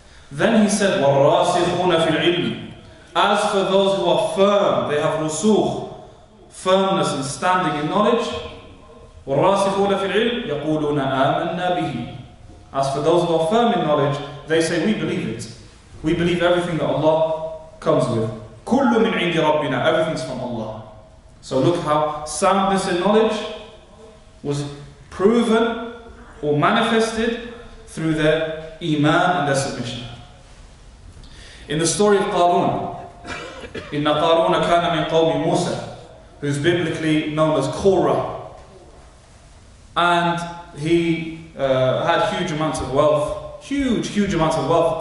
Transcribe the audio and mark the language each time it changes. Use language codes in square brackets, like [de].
[en] Then he said, [ar] وَالرَّاسِخُونَ فِي الْعِلْمِ, [en] as for those who are firm, they have rusukh, firmness and standing in knowledge. [ar] وَالرَّاسِخُونَ فِي الْعِلْمِ يَقُولُونَ آمَنَّا بِهِ, [en] as for those who are firm in knowledge, they say, we believe it. We believe everything that Allah comes with. [ar] كُلُّ مِنْ عِنْدِ رَبِّنَا, [en] everything's from Allah. So look how soundness in knowledge was proven or manifested through their iman and their submission. In the story of Qarun, [ar] إِنَّ قَارُونَ كَانَ مِنْ قَوْمِ مُوسَى, [en] who's biblically known as Korah, and he had huge amounts of wealth, huge amounts of wealth.